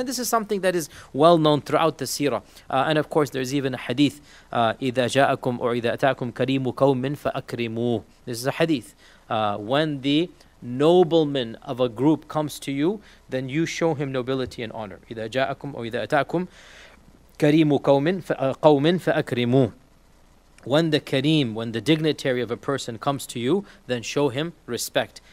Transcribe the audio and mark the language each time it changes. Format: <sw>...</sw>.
<en>And this is something that is well known throughout the seerah. And of course, there's even a hadith,</en> <ar>إِذَا جَاءَكُمْ أَوْ إِذَا أَتَاكُمْ كَرِيمُ قَوْمٍ فَأَكْرِمُوهُ.</ar> <en>This is a hadith. When the nobleman of a group comes to you, then you show him nobility and honor.</en> <ar>إذا جاءكم أو إذا أتاكم كريم قوم فأكرموه.</ar> <en>When the kareem, when the dignitary of a person comes to you, then show him respect.</en>